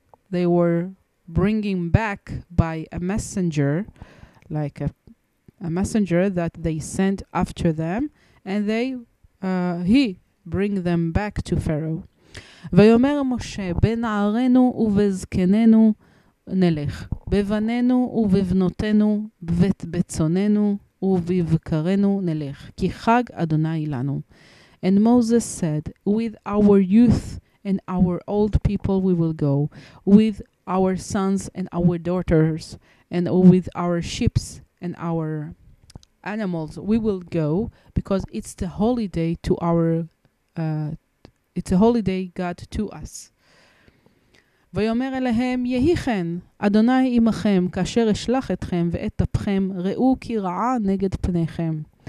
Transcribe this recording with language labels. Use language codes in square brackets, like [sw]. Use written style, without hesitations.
[en] They were bringing back by a messenger, like a messenger that they sent after them, and he bring them back to Pharaoh. [he] ויאמר משה, בנערינו ובזקננו נלך, בבננו ובבנותינו ובצוננו ובבקרנו נלך, כי חג אדוני לנו. [en] And Moses said, with our youth and our old people we will go, with our sons and our daughters, and with our ships and our animals, we will go, because it's the holiday to our, it's a holiday God to us. [he] ויאמר אליהם, יהי כן, אדוני עמכם, כאשר אשלח אתכם ואת אפכם, ראו כי רעה נגד פניכם.